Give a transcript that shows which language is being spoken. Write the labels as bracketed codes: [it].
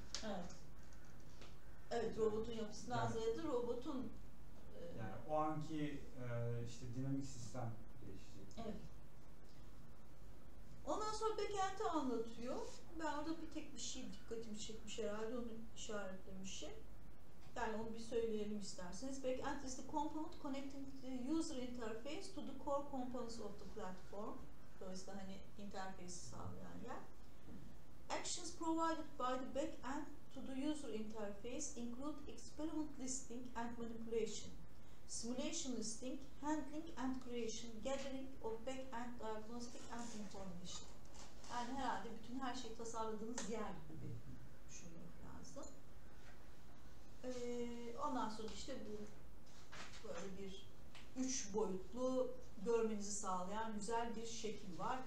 [tr] Evet. Evet, robotun yapısından yani, ziyade robotun yani o anki işte dinamik sistem değişecek. Evet. Ondan sonra Bekent'i anlatıyor. Ben orada bir tek bir şey dikkatimi çekmiş herhalde, onu işaretlemişim. Yani onu bir söyleyelim isterseniz. [en] Backend is the component connecting the user interface to the core components of the platform. [tr] Dolayısıyla hani interface'i sağlayan yer. [en] Actions provided by the backend to the user interface include experiment listing and manipulation, simulation listing, handling and creation, gathering of backend diagnostic and information. [tr] Yani herhalde bütün her şeyi tasarladığınız yer gibi düşünmek lazım. Ondan sonra işte bu böyle bir üç boyutlu görmenizi sağlayan güzel bir şekil var.